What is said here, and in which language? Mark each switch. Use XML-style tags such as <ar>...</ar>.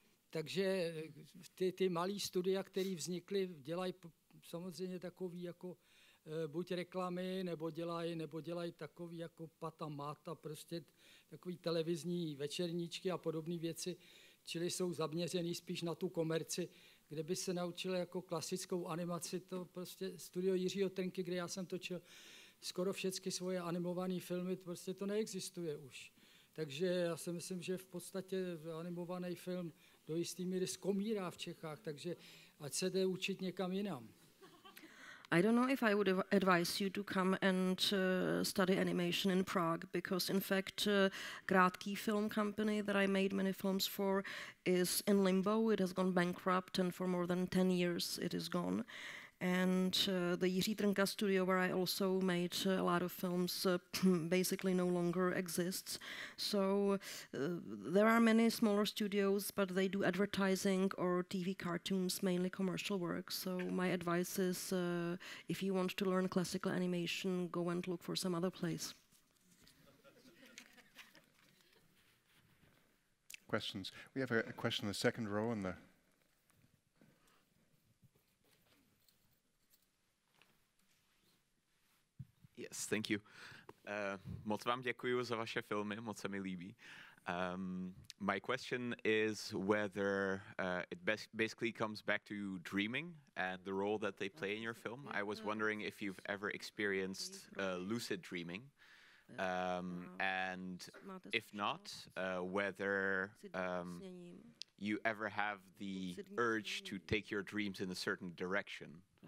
<cs>Takže ty malé studia, které vznikly, dělají samozřejmě takový jako buď reklamy, nebo dělají takový jako Pata Mata, prostě takový televizní večerníčky a podobné věci, čili jsou zaměřený spíš na tu komerci, kde by se naučil jako klasickou animaci, to prostě studio Jiřího Trnky, kde já jsem točil skoro všechny svoje animované filmy, prostě to neexistuje už. Takže já si myslím, že v podstatě animovaný film do jisté míry skomírá v Čechách, takže ať se jde učit někam jinam.</cs> <en>I don't know if I would advise you to come and study animation in Prague, because in fact, Krátký film company that I made many films for is in limbo. It has gone bankrupt, and for more than 10 years it is gone. And the Jiří Trnka studio, where I also made a lot of films, basically no longer exists. So there are many smaller studios, but they do advertising or TV cartoons, mainly commercial work. So my advice is, if you want to learn classical animation, go and look for some other place. Questions? We have a question in the second row in there. Yes, thank you.</en> <cs>Moc vám děkuju za vaše filmy, moc se mi líbí.</cs> <en>My question is whether it basically comes back to dreaming and the role that they play in your film. I was wondering if you've ever experienced lucid dreaming, and if not, whether you ever have the urge to take your dreams in a certain direction.</en>